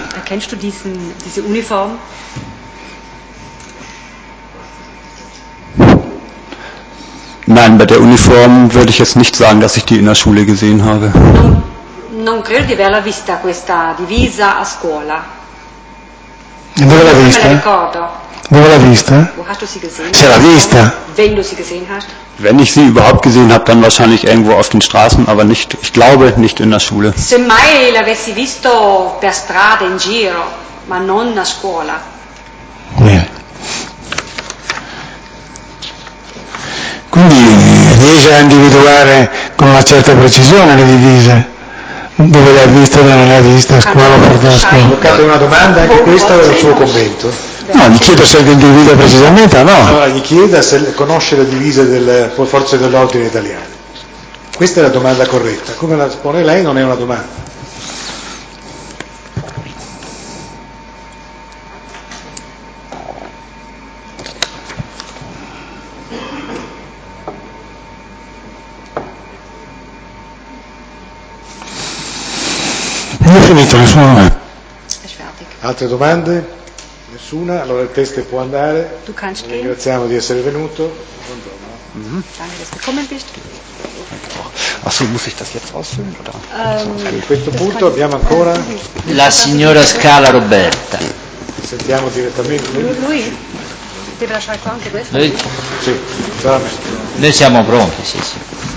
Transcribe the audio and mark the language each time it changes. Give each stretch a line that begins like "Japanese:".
German: Erkennst du diese Uniform? Nein, bei der Uniform würde ich jetzt nicht sagen, dass ich die in der Schule gesehen habe.
Italian: Non credo di averla vista questa divisa a scuola. Dove l'ha vista? Non me la ricordo. Dove l'ha vista? Se l'ha vista.
German: Wenn ich sie überhaupt gesehen habe, dann wahrscheinlich irgendwo auf den Straßen, aber nicht, ich glaube, nicht in der Schule.
Italian: Se mai l'avessi visto per strada in giro, ma non a scuola. Yeah. Quindi riesce a individuare con una certa precisione le divise. Dove l'ha vista, dove l'ha vista, scuola, porta a scuola. Toccate una domanda, anche questa è il suo commento. No, gli chiedo se individua precisamente o no. Allora, gli chieda se conosce le divise delle forze dell'ordine italiane. Questa è la domanda corretta. Come la pone lei non è una domanda. Non ho finito, nessuno. Altre domande? Nessuna, allora il test può andare.
German: Tu kannst gehen.
Italian: Ringraziamo di essere venuto. Buongiorno.
German: Danke, dass du gekommen bist. Ach so, muss ich das jetzt ausfüllen? Oder?
Italian: A questo punto abbiamo ancora la signora Scala Roberta. Sentiamo direttamente. Lui? Deve lasciare qua anche questo? Lui? Sì, solamente. Noi siamo pronti, sì, sì.